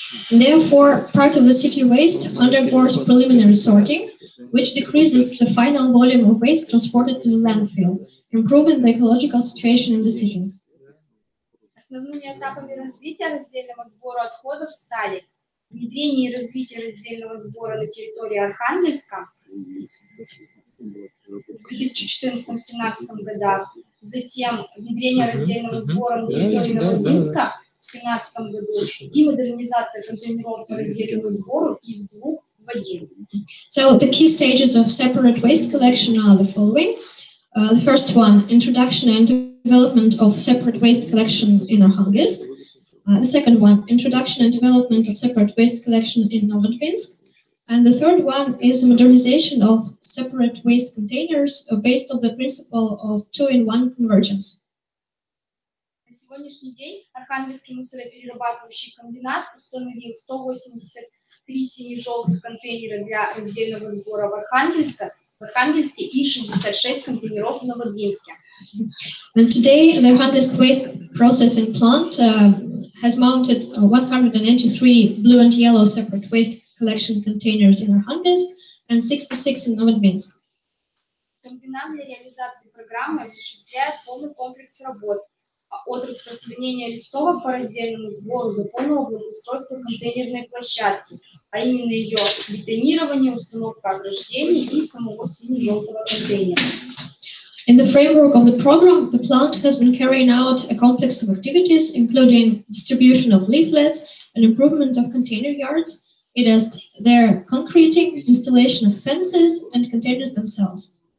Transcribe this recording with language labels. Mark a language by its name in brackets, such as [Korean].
[English] Therefore, part of the city waste undergoes preliminary sorting, which decreases the final volume of waste transported to the landfill, improving the ecological situation in the city. [Russian] Основными этапами развития раздельного сбора отходов стали внедрение и развитие раздельного сбора на территории Архангельска в 2014-17 годах. Затем внедрение раздельного сбора на территории Новодвинска в 2017 году и модернизация контейнеров по раздельному сбору из двух в один. [English] So the key stages of separate waste collection are the following. The first one, introduction and development of separate waste collection in Arkhangelsk. The second one, introduction and development of separate waste collection in Novodvinsk. And the third one is modernization of separate waste containers based on the principle of two-in-one convergence. [Russian] На сегодняшний день Архангельский мусороперерабатывающий комбинат установил 183 сине-желтых контейнера для раздельного сбора в Архангельске и 66 контейнеров в Новодвинске. [English] And today, the Arkhangelsk waste processing plant has mounted 183 blue and yellow separate waste collection containers in Arkhangelsk and 66 in Novodvinsk. [Russian] Комбинат для реализации программы осуществляет полный комплекс работ от распространения листовок по раздельному сбору до полного благоустройства контейнерной площадки, а именно ее бетонирование, установка ограждений и самого сине-желтого контейнера. [English] In the framework of the program, the plant has been carrying out a complex of activities, including distribution of leaflets and improvement of container yards. It is their concreting, installation of fences and containers themselves.